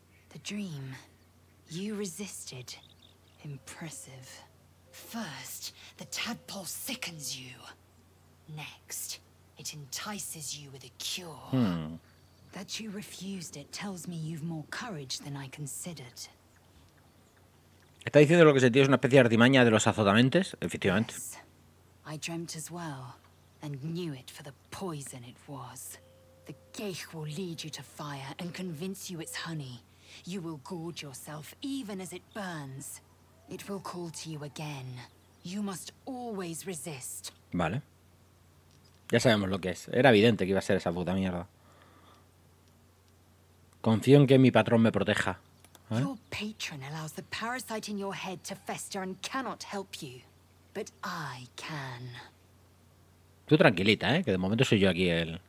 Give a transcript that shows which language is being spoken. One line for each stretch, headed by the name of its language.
English: The dream you resisted. Impressive. First, the tadpole sickens you. Next, it entices you with a cure. That you refused it tells me you've more courage than I considered.
Spanish: Está diciendo lo que sentí es una especie de artimaña de los azotamentes, efectivamente.
English: Yes, I dreamt as well, and knew it for the poison it was. The geich will lead you to fire and convince you it's honey. You will gorge yourself even as it burns. It will call to you again. You must always resist.
Spanish: Vale. Ya sabemos lo que es. Era evidente que iba a ser esa puta mierda. Confío en que mi patrón me proteja.
English: Right? Your patron allows the parasite in your head to fester and cannot help you. But I can.
Spanish: Tú tranquilita, ¿eh? Que de momento soy yo aquí el...